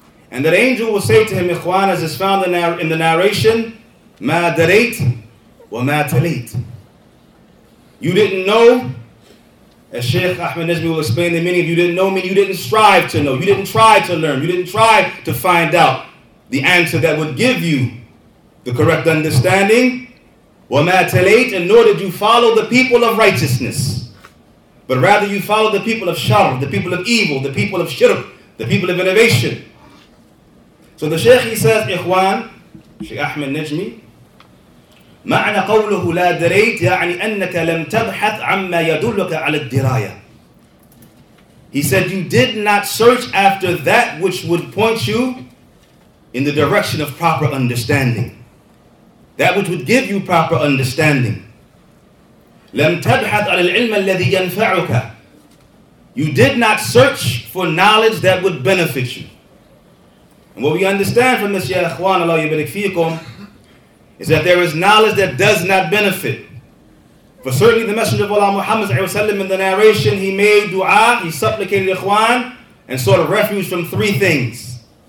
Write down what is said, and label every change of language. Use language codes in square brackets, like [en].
[en] And that angel will say to him, Ikhwan, as is found in the narration, [ar] مَا دَرَيْتْ وَمَا تَلَيْتْ, [en] you didn't know, as Sheikh Ahmed Najmi will explain the meaning of you didn't know, meaning you didn't strive to know, you didn't try to learn, you didn't try to find out the answer that would give you the correct understanding. [ar] وَمَا تَلَيْتْ, [en] and nor did you follow the people of righteousness, but rather you followed the people of shar, the people of evil, the people of shirk, the people of innovation. So the Sheikh, he says, Ikhwan, Sheikh Ahmed Najmi, [ar] معنى قوله لا دريت يعني أنك لم تبحث عما يدلك على الدراية. [en] He said, you did not search after that which would point you in the direction of proper understanding. That which would give you proper understanding. [ar] لم تبحث على العلم الذي ينفعك. [en] You did not search for knowledge that would benefit you. And what we understand from this, [ar] يا إخوان, الله يبارك فيكم, [en] is that there is knowledge that does not benefit. For certainly the Messenger of Allah Muhammad ﷺ, in the narration, he made dua, he supplicated Ikhwan, and sought a refuge from three things.